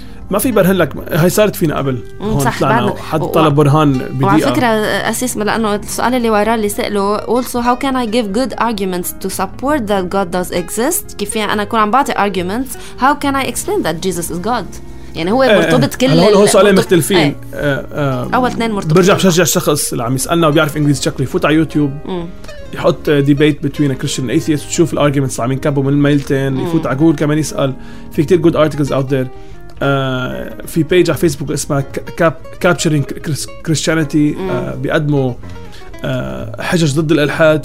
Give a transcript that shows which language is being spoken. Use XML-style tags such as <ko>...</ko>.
<ar>ما في برهن لك، هاي صارت فينا قبل هون طلعنا حد طلب برهان بدقيقة. وعلى فكرة أساس لأنه السؤال اللي وراء اللي سأله</ar> <en>also how can I give good arguments to support that God does exist.</en> <ar>كيف يعني أنا كون عم بعطي</ar> <en>arguments how can I explain that Jesus is God.</en> <ar>يعني هو مرتبط كل هلا هو سؤالين مختلفين أول اثنين مرتبطين. برجع بشجع الشخص اللي عم يسألنا وبيعرف إنجليزي شكله يفوت على يوتيوب يحط</ar> <en>debate between a Christian and atheist</en> <ar>وتشوف الارجمنتس عم ينكبوا من الميلتين يفوت على جوجل كمان يسأل في كتير</ar> <en>good articles out there.</en> <ar>في page على فيسبوك اسمها capturing Christianity بيقدموا حجج ضد الإلحاد.</ar>